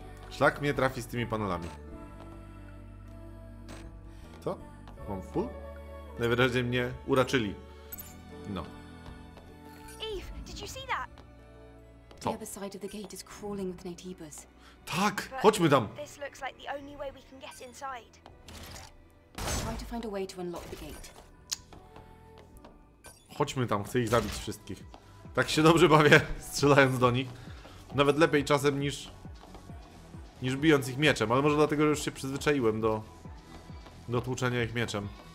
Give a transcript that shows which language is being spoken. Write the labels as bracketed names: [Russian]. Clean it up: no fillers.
[Polish] Szlak mnie trafi z tymi panelami. Co? Mam full? Najwyraźniej mnie uraczyli. No. [English] Eve, did you see that? [Polish] Co? [English] The other side of the gate is crawling with Nateebus. [Polish] Tak, chodźmy tam. [English] This looks like the only way we can get inside. Try to find a way to unlock the gate. [Polish] Chodźmy tam, chcę ich zabić wszystkich. Tak się dobrze bawię, strzelając do nich. Nawet lepiej czasem niż bijąc ich mieczem. Ale może dlatego, że już się przyzwyczaiłem do tłuczenia ich mieczem.